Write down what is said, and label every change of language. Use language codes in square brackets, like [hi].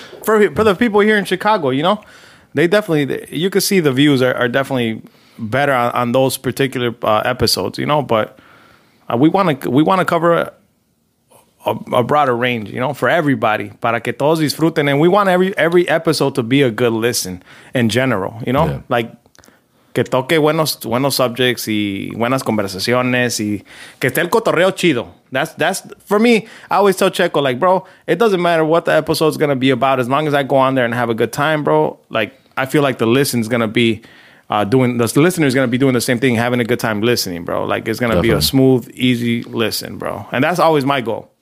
[en] For the people here in Chicago, you know, they definitely, you can see the views are definitely better on those particular episodes, you know, but we want to cover a broader range, you know, for everybody, [es] para que todos disfruten, [en] and we want every episode to be a good listen in general, you know, yeah. [es] Like que toque buenos subjects y buenas conversaciones y que esté el cotorreo chido. [en] That's for me. I always tell Checo, like, bro, it doesn't matter what the episode's gonna be about, as long as I go on there and have a good time, bro. Like, I feel like the listen's gonna be the listener is going to be doing the same thing, having a good time listening, bro. Like, it's going to be a smooth, easy listen, bro. And that's always my goal.